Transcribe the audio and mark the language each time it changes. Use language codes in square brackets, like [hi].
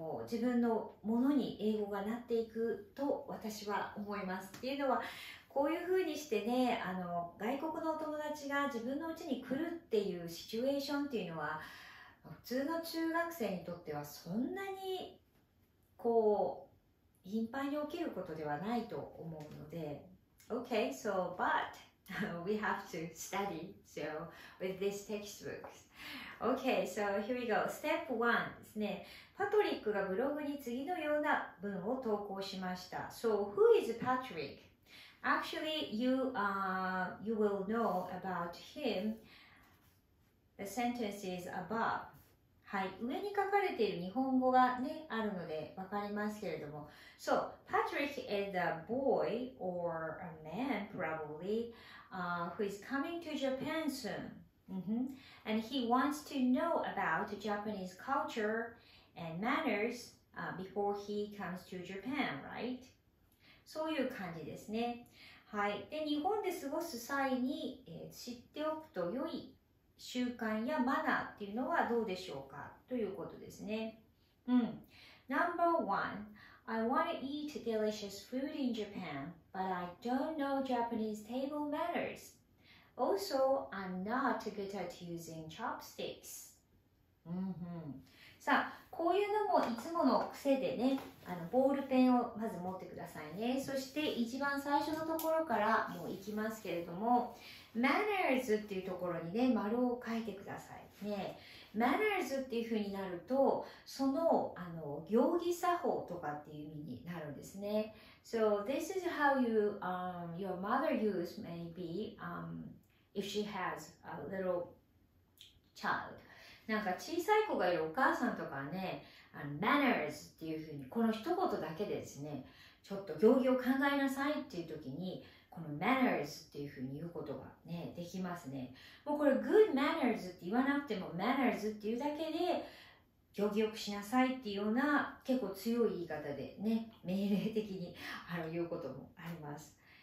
[ja] 自分のものに英語がなっていくと私は思います。っていうのは、こういうふうにしてね、外国のお友達が自分の家に来るっていうシチュエーションっていうのは、普通の中学生にとってはそんなに、こう、頻繁に起きることではないと思うので。 [en] Okay, so, but, we have to study, so, with this textbook. Okay, so, here we go. Step 1ですね。 [ja] パトリックがブログに次のような文を投稿しました。 [en] So, who is Patrick? Actually, you will know about him. The sentence is above. [ja] はい、上に書かれている日本語がね、あるので分かりますけれども。 [en] So, Patrick is a boy or a man probably, who is coming to Japan soon. Mm-hmm. And he wants to know about Japanese culture and manners, before he comes to Japan, right? [ja] そういう感じですね。はい。で、日本で過ごす際に、知っておくと良い習慣やマナーっていうのはどうでしょうかということですね。うん。 [en] Number one, I want to eat delicious food in Japan, but I don't know Japanese table manners. Also, I'm not good at using chopsticks. [ja] さあ、こういうのもいつもの癖でね、ボールペンをまず持ってくださいね。そして一番最初のところからもう行きますけれども、manners っていうところにね、丸を書いてくださいね。 manners っていう風になると、その、行儀作法とかっていう意味になるんですね。 [en] So, this is how you, your mother use maybe, if she has a little child. [ja] なんか小さい子がいるお母さんとかはね、manners っていうふうに、この一言だけでですね、ちょっと行儀を考えなさいっていう時に、この manners っていうふうに言うことがね、できますね。もうこれ good manners って言わなくても、manners っていうだけで、行儀よくしなさいっていうような結構強い言い方でね、命令的に言うこともあります。